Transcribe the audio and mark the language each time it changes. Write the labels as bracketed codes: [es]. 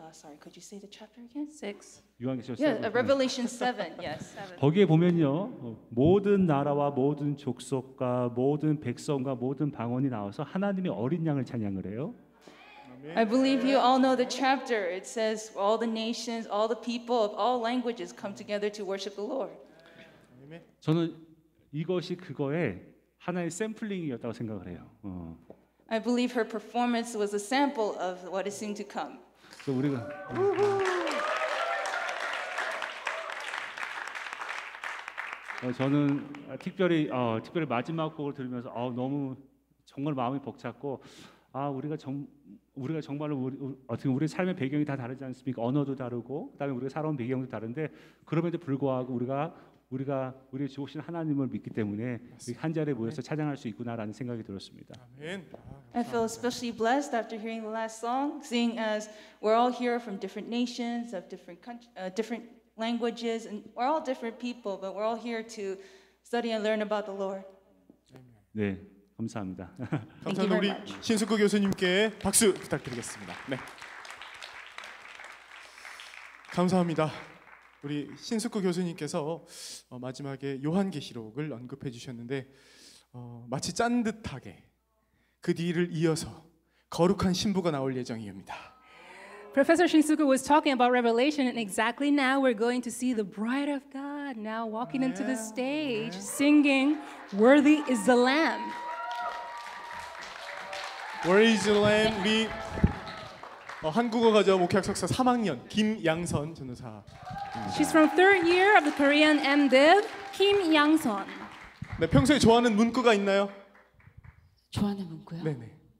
[en] Sorry, could you say the chapter again? Six. [ko] 요한계시록 [en] 7. Yeah, Revelation 7. Yes. [ko] 거기에 보면요, 모든 나라와 모든 족속과 모든 백성과 모든 방언이 나와서 하나님의 어린 양을 찬양을 해요. [en] I believe you all know the chapter. It says all the nations, all the people of all languages come together to worship the Lord. [ko] 저는 이것이 그거의 하나의 샘플링이었다고 생각을 해요. [en] I believe her performance was a sample of what is soon to come. [ko] 또 우리가 저는 특별히 마지막 곡을 들으면서 너무 정말 마음이 벅찼고 우리가 정말로 우리 삶의 배경이 다 다르지 않습니까? 언어도 다르고 그다음에 우리가 살아온 배경도 다른데 그럼에도 불구하고 우리가 우리의 주신 하나님을 믿기 때문에 한 자리에 모여서 찬양할 수 있구나라는 생각이 들었습니다. [en] I feel especially blessed after hearing the last song, seeing as we're all here from different nations, of different countries, different languages, and we're all different people, but we're all here to study and learn about the Lord. [ko] 네. 감사합니다. 감사합니다. 우리 신숙구 교수님께 박수 부탁드리겠습니다. 네. 감사합니다. 우리 신숙구 교수님께서 마지막에 요한계시록을 언급해 주셨는데 마치 짠 듯하게 그 뒤를 이어서 거룩한 신부가 나올 예정이옵니다. [en] Professor Shinsuke was talking about Revelation, and exactly now we're going to see the bride of God now walking into the stage singing Worthy is the Lamb. Worthy is the Lamb. [ko] 우리 한국어 과제 목회학 석사 3학년 김양선 전도사. [en] She's from third year of the Korean MDiv, Kim Yang-sun. [ko] 네, 평소에 좋아하는 문구가 있나요? 좋아하는 문구요? 네네.